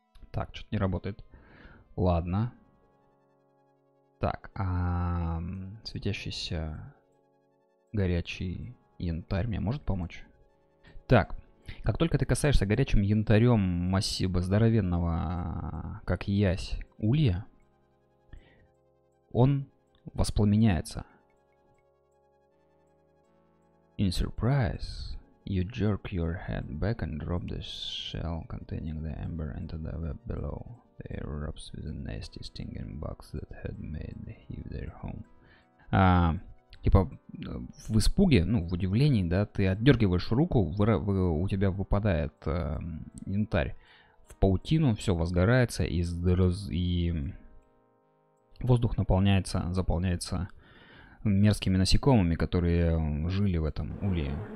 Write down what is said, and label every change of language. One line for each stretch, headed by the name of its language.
Russian: Так, что-то не работает. Ладно. Так, а светящийся горячий янтарь мне может помочь? Так, как только ты касаешься горячим янтарем массива здоровенного, как ясь, улья, он воспламеняется.
English: In surprise, you jerk your head back and drop the shell containing the ember into the web below. They erupt with the nasty stinging bugs that had made him their home.
Russian: Типа в испуге, ну в удивлении, да, ты отдергиваешь руку, у тебя выпадает янтарь в паутину, все возгорается, и воздух заполняется мерзкими насекомыми, которые жили в этом улье.